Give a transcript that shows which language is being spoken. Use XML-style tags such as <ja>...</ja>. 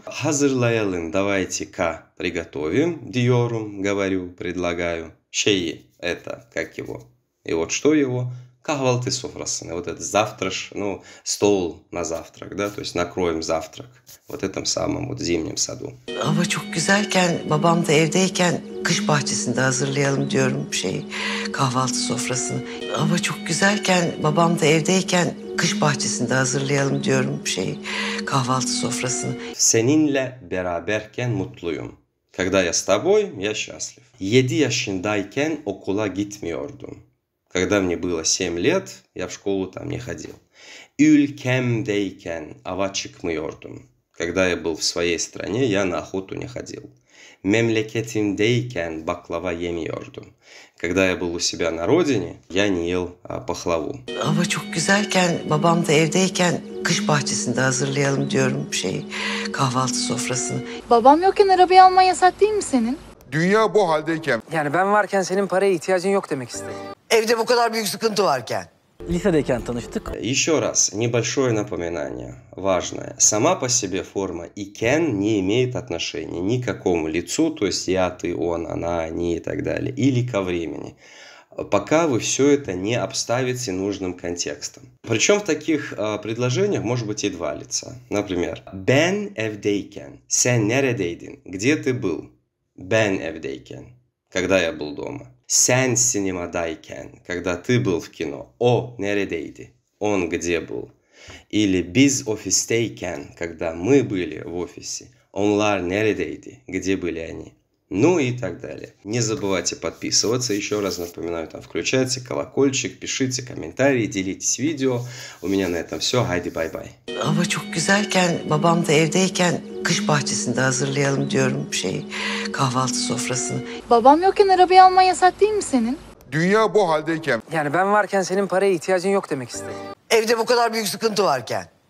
<tr>Hazırlayalım,</tr> <ru>давайте-ка приготовим,</ru> <tr>diyorum,</tr> <ru>говорю, предлагаю.</ru> <tr>Şeyi,</tr> <ru>это, как его, и вот что его,</ru> <tr>kahvaltı sofrasını,</tr> <ru>вот этот завтрак, ну, стол на завтрак, да, то есть накроем завтрак вот этом самом вот зимнем саду.</ru> <tr>Hava çok güzelken, babam da evdeyken kış bahçesinde hazırlayalım diyorum şey, kahvaltı sofrasını. Hava çok güzelken, babam da evdeyken kış bahçesinde hazırlayalım diyorum şey, kahvaltı sofrasını. Seninle beraberken mutluyum. Когда я с тобой, я счастлив. 7 yaşındayken okula gitmiyordum. Когда мне было 7 лет, я в школу там не ходил. Ülkemdeyken ava çıkmıyordum. Когда я был в своей стране, я на охоту не ходил. Memleketimdeyken baklava yemiyordum. Когда я был у себя на родине, я не ел пахлаву. Hava çok güzelken, babam da evdeyken kış bahçesinde hazırlayalım diyorum şey, kahvaltı sofrasını. Babam yokken arabayı almaya yasak değil mi senin? Dünya bu haldeyken. Yani ben varken senin paraya ihtiyacın yok demek istedim. Evde bu kadar büyük sıkıntı varken. Lisedeyken tanıştık.</tr> <ru>Еще раз, небольшое напоминание, важное. Сама по себе форма iken не имеет отношения ни к какому лицу, то есть я, ты, он, она, они и так далее, или ко времени. Пока вы все это не обставите нужным контекстом. Причем в таких предложениях может быть и два лица. Например,</ru> <tr>ben evdeyken, sen neredeydin,</tr> <ru>где ты был?</ru> <tr>Ben evdeyken,</tr> <ru>когда я был дома.</ru> <tr>Sen sinemadayken,</tr> <ru>когда ты был в кино.</ru> <tr>O neredeydi,</tr> <ru>он где был. Или</ru> <tr>biz ofisteyken,</tr> <ru>когда мы были в офисе.</ru> <tr>Onlar neredeydi,</tr> <ru>где были они. Ну и так далее. Не забывайте подписываться. Еще раз напоминаю, там включайте колокольчик, пишите комментарии, делитесь видео. У меня на этом все.</ru> <tr>Hadi bye bye. Hava çok güzelken, babam da evdeyken kış bahçesinde hazırlayalım diyorum şey, kahvaltı sofrasını. Babam yokken arabayı almaya yasak değil mi senin? Dünya bu haldeyken. Yani ben varken senin paraya ihtiyacın yok demek istedim. Evde bu kadar büyük sıkıntı varken.</tr>